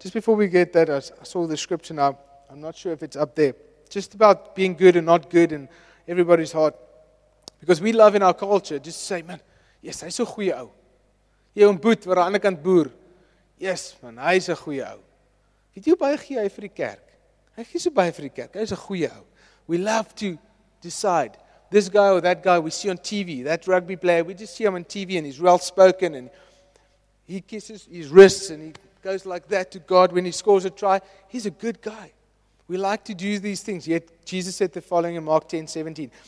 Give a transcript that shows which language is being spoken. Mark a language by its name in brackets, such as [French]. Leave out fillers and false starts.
[English] Just before we get that, I saw the scripture now. I'm not sure if it's up there. Just about being good and not good in everybody's heart. Because we love in our culture just to say, man, yes, [Afrikaans] hy's 'n goeie ou. Jy en boet, waar aan die ander kant boer. [English] Yes, man, [Afrikaans] hy's 'n goeie ou. Weet jy hoe baie gee hy vir die kerk? Hy gee so baie vir die kerk. Hy's 'n goeie ou. [English] We love to decide. This guy or that guy we see on TV, that rugby player, we just see him on TV and he's well-spoken and he kisses his wrists and he goes like that to God when he scores a try. He's a good guy. We like to do these things. Yet Jesus said the following in Mark 10:17.